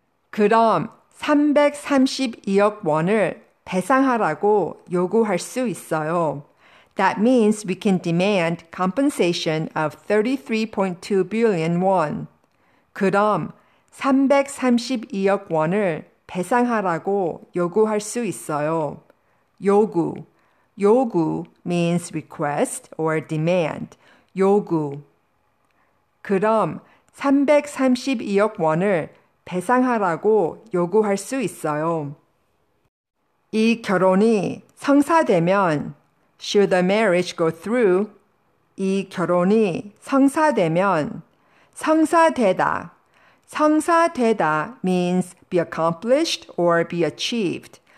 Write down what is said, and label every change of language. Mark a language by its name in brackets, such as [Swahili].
[Korean] 그럼332억원을배상하라고요구할수있어요. [English] That means we can demand compensation of 33.2 billion won. [Korean] 그럼332억원을배상하라고요구할수있어요. 요구. [English] 요구 means request or demand. [Korean] 요구. 그럼332억원을배상하라고요구할수있어요. 이결혼이성사되면 [English] should the marriage go through? [Korean] 이결혼이성사되면성사되다성사되다 [English] means be accomplished or be achieved.